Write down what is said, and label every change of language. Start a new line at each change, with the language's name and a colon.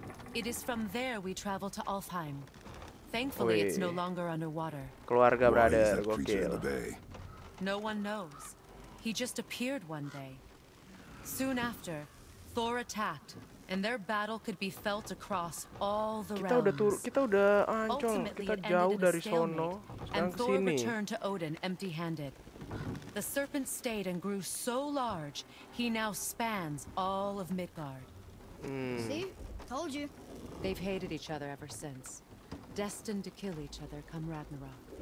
English: It is from there we travel to Alfheim. Thankfully, it's no longer underwater.
Indonesian: Keluarga, brother, gokil.
English: No one knows. He just appeared one day. Soon after, Thor attacked, and their battle could be felt across all the realms.
Indonesian: Kita udah ancol, kita jauh dari sono.
English: And Thor returned to Odin empty-handed. The serpent stayed and grew so large, he now spans all of Midgard. See? Told you. They've hated each other ever since. Destined to kill each other come Ragnarok.